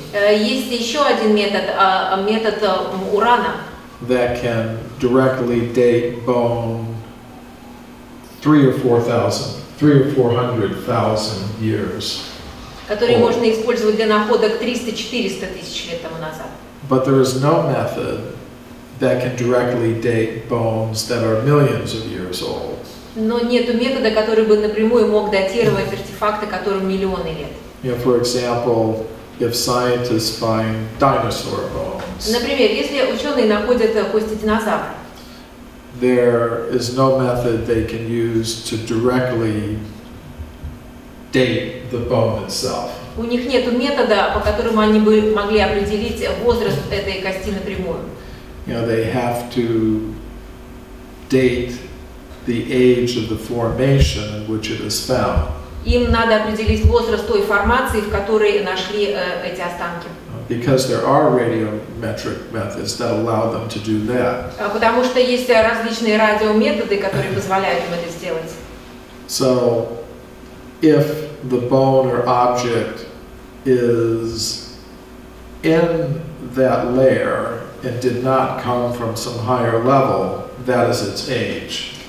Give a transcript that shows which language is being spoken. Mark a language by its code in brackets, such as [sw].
[ru] Есть еще один метод, метод урана. [en] That can directly date bone 300,000 or 400,000 years. [ru] Который можно использовать для находок 300-400 тысяч лет тому назад. [en] But there is no method that can directly date bones that are millions of years old. [ru] Но нету метода, который бы напрямую мог датировать артефакты, которым миллионы лет. [en] Yeah, for example, if scientists find dinosaur bones. [ru] Например, если ученые находят кости динозавра. [en] There is no method they can use to directly date the bone itself. [ru] У них нету метода, по которому они бы могли определить возраст этой кости напрямую. [en] You know, they have to date the age of the formation in which it is found. [ru] Им надо определить возраст той формации, в которой нашли эти останки. [en] Because there are radiometric methods that allow them to do that. [ru] Потому что есть различные радиометоды, которые позволяют им это сделать. [en] So, if the bone or object is in that layer and did not come from some higher level, that is its age.